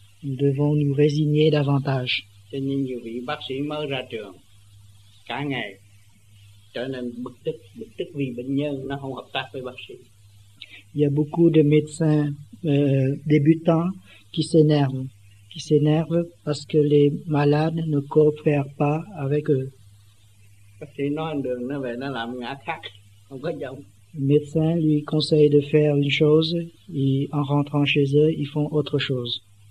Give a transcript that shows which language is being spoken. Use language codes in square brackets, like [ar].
[fr] Nous devons nous résigner davantage. [vi] Cho nên nhiều vị bác sĩ mới ra trường, cả ngày trở nên bực tức vì bệnh nhân nó không hợp tác với bác sĩ. [fr] Il y a beaucoup de médecins débutants qui s'énervent parce que les malades ne coopèrent pas avec eux. Le médecin lui conseille de faire une chose et en rentrant chez eux, ils font autre chose.